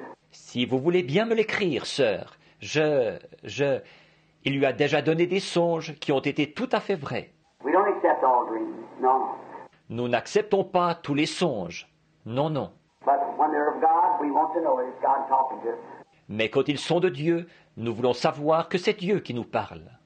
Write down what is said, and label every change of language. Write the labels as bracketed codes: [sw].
[fr] Si vous voulez bien me l'écrire, sœur, il lui a déjà donné des songes qui ont été tout à fait vrais. [en] We don't accept all dreams, no. [fr] Nous n'acceptons pas tous les songes. Non, non. [en] But when they're of God, we want to know it's God talking to us. [fr] Mais quand ils sont de Dieu, nous voulons savoir que c'est Dieu qui nous parle.